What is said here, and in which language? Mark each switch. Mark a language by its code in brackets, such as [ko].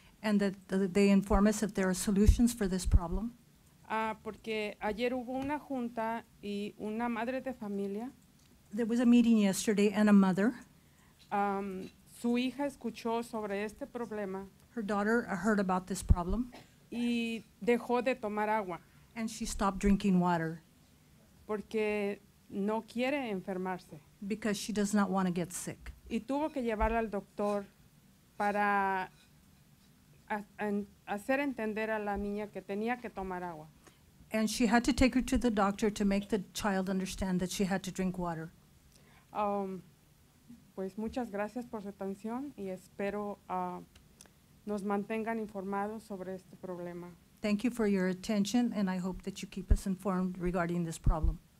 [en] And that they inform us if there are solutions for this problem. [es] Porque ayer hubo una junta y una madre de familia. [en] There was a meeting yesterday and a mother. [es] Su hija escuchó sobre este problema. [en] Her daughter heard about this problem. [es] Y dejó de tomar agua. [en] And she stopped drinking water. [es] Porque no quiere enfermarse. [en] Because she does not want to get sick. [es] Y tuvo que llevarla al doctor para hacer entender a la niña que tenía que tomar agua. [en] And she had to take her to the doctor to make the child understand that she had to drink water. [es] Pues muchas gracias por su atención y espero nos mantengan informados sobre este problema. [en] Thank you for your attention and I hope that you keep us informed regarding this problem.